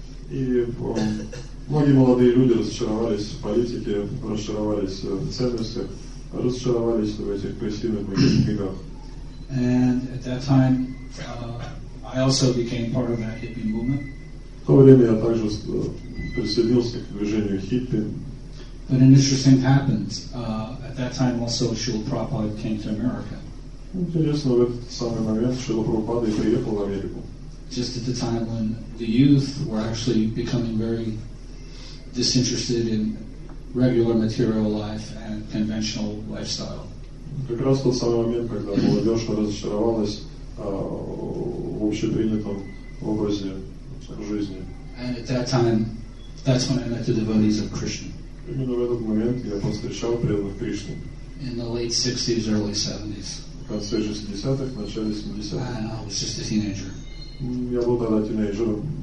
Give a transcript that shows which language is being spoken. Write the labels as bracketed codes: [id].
[ru] И многие молодые люди разочаровались в политике, разочаровались в ценностях, разочаровались в этих пассивных мотивах. [en] And at that time, I also became part of that hippie movement. [ru] В то время я также присоединился к движению хиппи. [en] But an interesting thing happened. At that time also Srila Prabhupada came to America. [ru] Интересно, в этот самый момент Шрила Прабхупада приехал в Америку. [en] just at the time when the youth were actually becoming very disinterested in regular material life and conventional lifestyle. [ru] Как раз тот самый момент, когда молодежь разочаровалась в общепринятом образе жизни. [en] And at that time, that's when I met the devotees of Krishna. [ru] Именно в этот момент я повстречал преданных Кришны. [en] In the late 60s, early 70s. [ru] В конце 60-х, начале 70-х. [en] I was just a teenager. [ru] Я был тогда тинейджером.